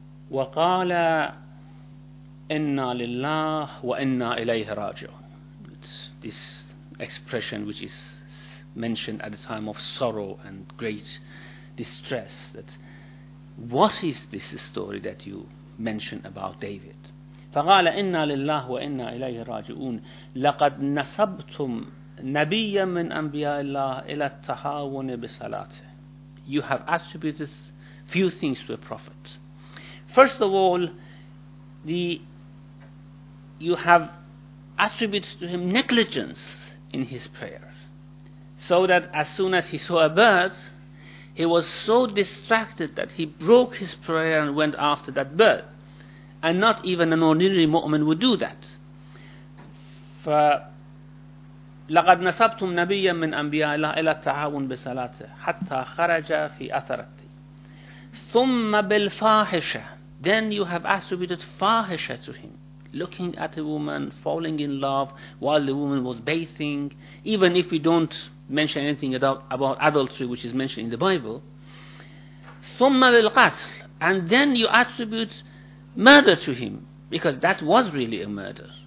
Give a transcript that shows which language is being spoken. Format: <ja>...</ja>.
<ar>وَقَالَ إِنَّا لِلَّهِ وَإِنَّا إِلَيْهِ رَاجِعُونَ</ar> <en>This expression which is mentioned at a time of sorrow and great distress, that what is this story that you mention about David?</en> <ar>فَقَالَ إِنَّا لِلَّهِ وَإِنَّا إِلَيْهِ رَاجِعُونَ لَقَدْ نَسَبْتُمْ نَبِيًّا مِنْ أَنْبِيَاءِ اللَّهِ إِلَى التَّهَاوُنِ بِسَلَاتِهِ</ar> <en>You have attributed few things to a prophet. First of all, you have attributed to him negligence in his prayers, so that as soon as he saw a bird, he was so distracted that he broke his prayer and went after that bird. And not even an ordinary mu'min would do that.</en> <ar>فَلَقَدْ نَسَبْتُمْ نَبِيًّا مِنْ أَنْبِيَاءِ اللَّهِ إِلَى التَّعَاوُنِ بِسَلَاتِهِ حَتَّى خَرَجَ فِي أَثَرَتِهِ ثُمَّ بِالْفَاحِشَةِ</ar> <en>Then you have attributed fahisha to him. Looking at a woman, falling in love while the woman was bathing, even if we don't mention anything about adultery, which is mentioned in the Bible.</en> <ar>ثُمَّ بِالْقَتْلِ</ar> <en>And then you attribute murder to him, because that was really a murder.</en>